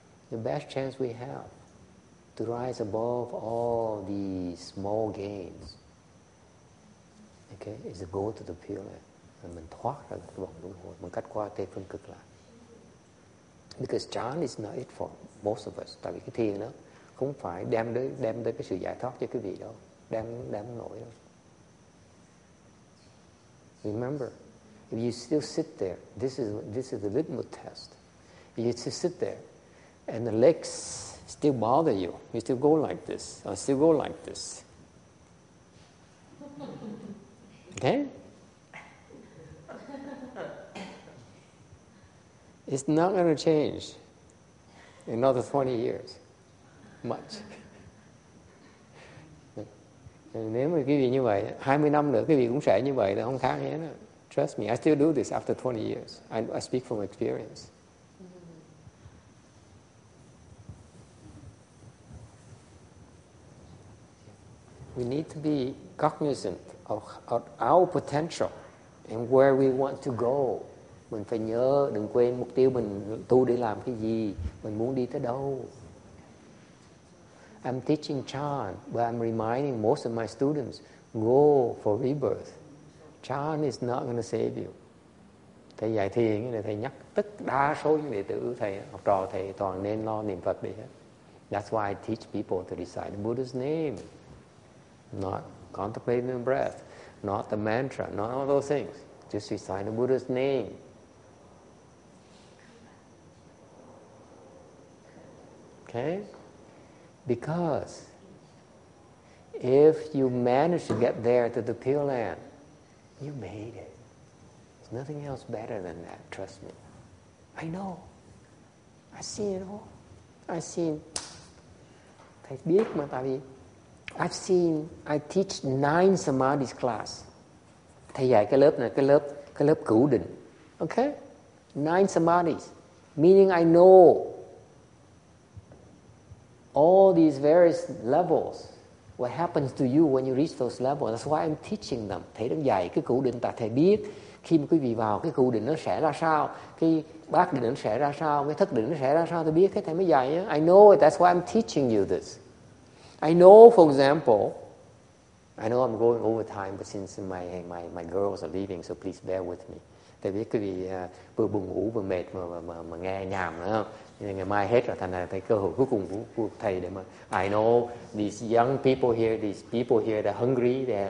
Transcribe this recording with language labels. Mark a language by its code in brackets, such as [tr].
[en] The best chance we have to rise above all these small gains, okay, is to go to the Pure Land. [vi] And mình thoát ra cái vòng luân hồi, mình cắt qua Tây Phương Cực Lạc. [en] Because chán is not it for most of us. [vi] Tại vì cái thiền đó không phải đem tới cái sự giải thoát cho quý vị đâu, đem nổi đâu. [en] Remember, if you still sit there, this is the litmus test. If you still sit there, and the legs still bother you, you still go like this, or still go like this. Okay? It's not going to change in another 20 years, much. [vi] Nếu mà quý vị như vậy, 20 năm nữa quý vị cũng sẽ như vậy, là không khác gì hết. [en] Trust me, I still do this after 20 years. I speak from experience. We need to be cognizant of our potential and where we want to go. [vi] Mình phải nhớ, đừng quên mục tiêu mình tu để làm cái gì, mình muốn đi tới đâu. [en] I'm teaching chan, but I'm reminding most of my students, go for rebirth. Chan is not going to save you. [vi] Thầy dạy thiền, thầy nhắc tất đa số những đệ tử thầy, học trò thầy toàn nên lo niệm Phật đi hết. [en] That's why I teach people to recite the Buddha's name, not contemplating the breath, not the mantra, not all those things. Just recite the Buddha's name. Okay? Because if you manage to get there to the Pure Land, you made it. There's nothing else better than that, trust me. I know. I see it all. I see. [vi] Thầy biết mà, tại vì [en] I've seen, I teach 9 samadhis class. [vi] Thầy dạy cái lớp này, cái lớp cửu định. [en] Okay? 9 samadhis. Meaning I know all these various levels. What happens to you when you reach those levels. That's why I'm teaching them. [vi] Thầy đang dạy cái cửu định, tại thầy biết khi mà quý vị vào cái cửu định nó sẽ ra sao, cái bát định nó sẽ ra sao, cái thất định nó sẽ ra sao, tôi biết cái thầy mới dạy. [en] I know it, that's why I'm teaching you this. I know, for example, I know I'm going over time, but since my girls are leaving, so please bear with me. [vi] Tại vì quý vị vừa buồn ngủ vừa mệt mà nghe nhàm nữa không? Ngày mai hết rồi, thành ra thầy cơ hội cuối cùng của thầy để mà [en] I know these young people here, these people here, they're hungry.